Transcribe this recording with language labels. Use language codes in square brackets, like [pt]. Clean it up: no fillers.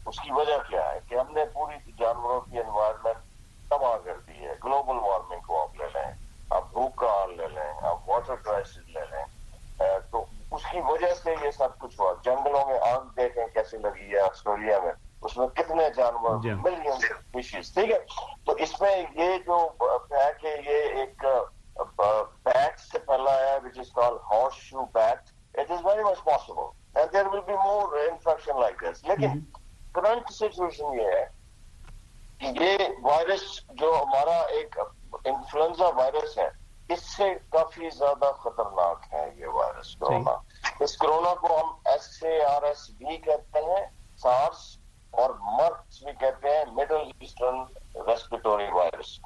[ur] اس کی وجہ کیا ہے کہ ہم نے پوری جانوروں کی انوائرمنٹ تباہ کر دی ہے. گلوبل وارمنگ کو آپ لے لیں, آپ بھوک کا حال لے لیں, آپ واٹر کرائسس لے لیں, تو اس کی وجہ سے یہ سب کچھ ہوا. جنگلوں میں آگ دیکھیں کیسے لگی ہے آسٹریلیا میں, اس میں کتنے جانور, ملین فشز, ٹھیک ہے. تو اس میں یہ جو ہے کہ یہ ایک بیٹ سے پھیلا ہے, [en] which is called horseshoe bat, it is very much possible and there will be more infection like this. [ur] لیکن current situation یہ ہے کہ یہ وائرس جو ہمارا ایک انفلوئنزا وائرس ہے اس سے کافی زیادہ خطرناک ہے یہ وائرس کرونا. اس کرونا کو ہم SARS-CoV-2 کہتے ہیں, SARS اور MERS بھی کہتے ہیں, مڈل ایسٹرن ریسپیٹوری وائرس.